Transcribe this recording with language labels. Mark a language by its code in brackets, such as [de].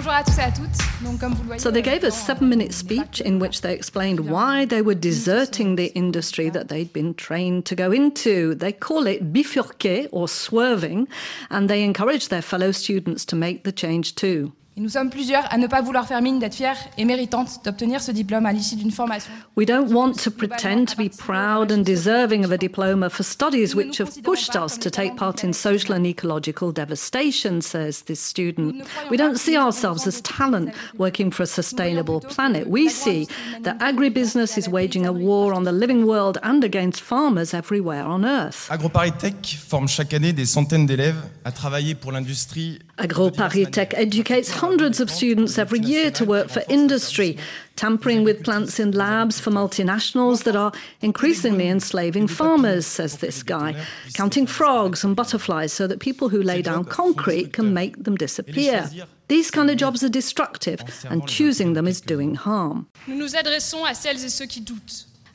[en] So they gave a 7-minute speech in which they explained why they were deserting the industry that they'd been trained to go into. They call it bifurquer, or swerving, and they encourage their fellow students to make the change too. [fr] Nous sommes plusieurs à ne pas vouloir faire mine d'être fiers et méritantes d'obtenir ce diplôme à l'issue d'une formation. [en] We don't want to pretend to be proud and deserving of a diploma for studies which have pushed us to take part in social and ecological devastation, says this student. We don't see ourselves as talent working for a sustainable planet. We see that agribusiness is waging a war on the living world and against farmers everywhere on Earth. [fr] Agro-Paris-Tech forme chaque année des centaines d'élèves à travailler pour l'industrie. [en] Agro-Paris-Tech educates hundreds of students every year to work for industry, tampering with plants in labs for multinationals that are increasingly enslaving farmers, says this guy, counting frogs and butterflies so that people who lay down concrete can make them disappear. These kind of jobs are destructive, and choosing them is doing harm. [fr] Nous nous adressons à celles et ceux qui doutent.